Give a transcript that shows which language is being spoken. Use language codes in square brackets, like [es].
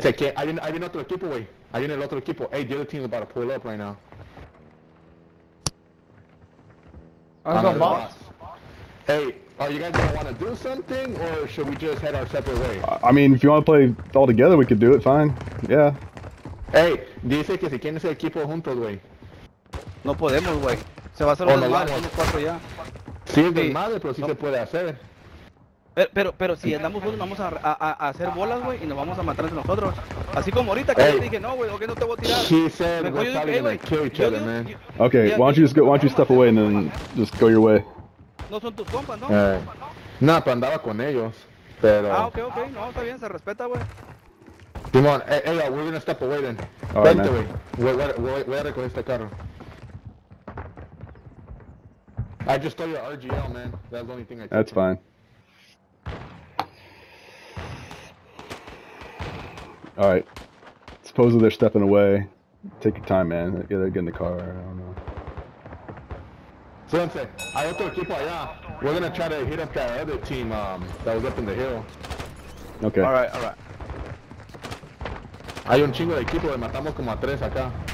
[en] Take care. I didn't know the equipo, wey. I didn't know the equipo. Hey, the other team's about to pull up right now. I'm the boss. Hey, are you guys gonna wanna do something, or should we just head our separate way? I mean, if you wanna play all together, we could do it fine. Yeah. [es] Hey, dice que si quieren ser equipo juntos, wey. No podemos, wey. Se va a hacer un desmadre, somos cuatro ya. Sí, es desmadre, pero sí no. Se puede hacer. Pero si andamos juntos, vamos a hacer bolas, güey, y nos vamos a matar entre nosotros. Así como ahorita, que yo te dije, no, güey, ¿o qué no te voy a tirar? [en] She said, mejor we're probably gonna kill each other, man. Okay, yeah, why don't you step away and then just go your way. [es] No son tus compas, ¿no? No, pero andaba con ellos, pero... Ah, okay, no, está bien, se respeta, güey. [en] Come on, hey, we're gonna step away then. Alright, man. [es] Voy a recoger este carro. [en] I just stole your RGL, man. That's the only thing I can do. That's fine. Alright. Supposedly they're stepping away. Take your time, man. Yeah, they're getting the car. I don't know. Sensei, I have to keep it, yeah. We're gonna try to hit up that other team that was up in the hill. Okay. Alright. [es] Hay un chingo de equipo, le matamos como a tres acá.